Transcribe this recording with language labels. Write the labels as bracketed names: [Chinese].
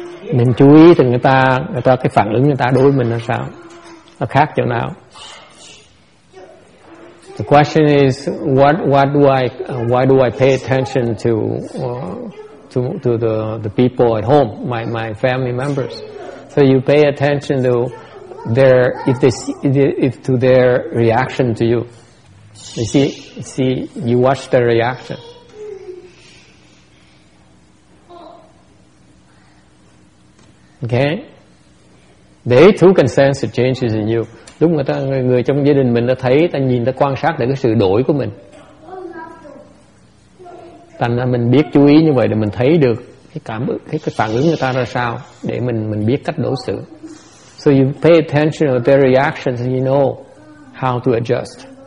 [Vietnamese] Mình chú ý thì người ta cái phản ứng người ta đối với mình là sao? Nó khác chỗ nào? [English] The question is, why do I pay attention to the people at home, my family members? So you pay attention to their if to their reaction to you. You see you watch their reaction. Okay, they too can sense the changes in you. [Vietnamese] Lúc người ta người trong gia đình mình đã thấy, ta nhìn, ta quan sát được cái sự đổi của mình. Thành ra mình biết chú ý như vậy để mình thấy được cái cảm ứng, cái phản ứng người ta ra sao, để mình biết cách đối xử. [English] So you pay attention to their reactions and you know how to adjust.